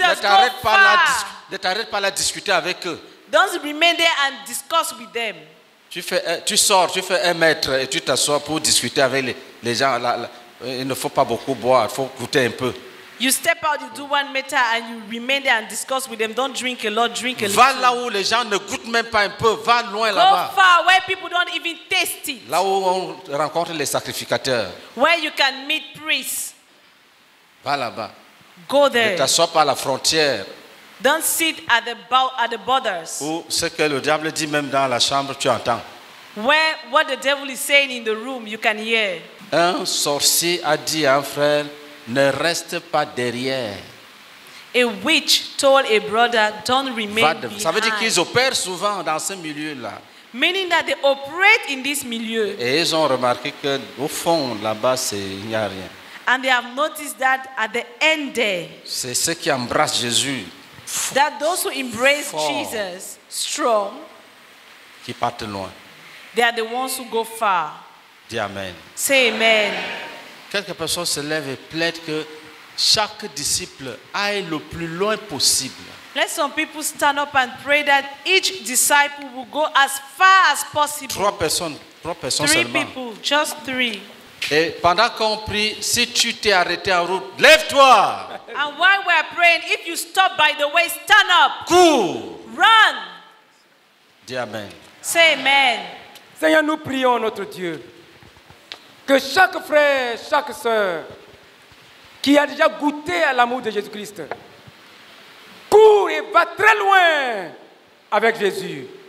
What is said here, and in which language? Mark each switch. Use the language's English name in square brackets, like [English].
[French] Ne t'arrête pas là à discuter avec eux. [English] Don't remain there and discuss with them. [French] Tu sors, tu fais un mètre et tu t'assois pour discuter avec les gens. Il ne faut pas beaucoup boire, il faut goûter un peu. [English] You step out, you do 1 meter and you remain there and discuss with them. Don't drink a lot, drink a little. [French] Va là où les gens ne goûtent même pas un peu, va loin [English] go [French] là-bas. [English] Go far where people don't even taste it. [French] Là où on rencontre les sacrificateurs. [English] Where you can meet priests. [French] Va là-bas. [English] Go there. [French] Ne t'assois pas à la frontière. [English] Don't sit at the borders. [French] Ou ce que le diable dit même dans la chambre, tu entends. [English] Where what the devil is saying in the room, you can hear. [French] Un sorcier a dit à un frère, ne reste pas derrière. [English] A witch told a brother, don't remain behind. [French] Ça veut dire qu'ils opèrent souvent dans ce milieu-là. [English] Meaning that they operate in this milieu. [French] Et ils ont remarqué que au fond là-bas, c'est il n'y a rien. [English] And they have noticed that at the end there. [French] C'est ceux qui embrassent Jésus. [English] That those who embrace fort. Jesus strong, [French] qui partent loin. [English] They are the ones who go far. [French] Dis amen. [English] Say amen. [French] Quelques personnes se lèvent et plaident que chaque disciple aille le plus loin possible. [English] Let some people stand up and pray that each disciple will go as far as possible. [French] Trois personnes [English] three [French] seulement. [English] Three people, just three. [French] Et pendant qu'on prie, si tu t'es arrêté en route, lève-toi. [English] And while we are praying, if you stop by the way, stand up. [French] Cours. [English] Run. [French] Dis amen. [English] Say amen. [French] Seigneur, nous prions notre Dieu que chaque frère, chaque sœur qui a déjà goûté à l'amour de Jésus-Christ court et va très loin avec Jésus.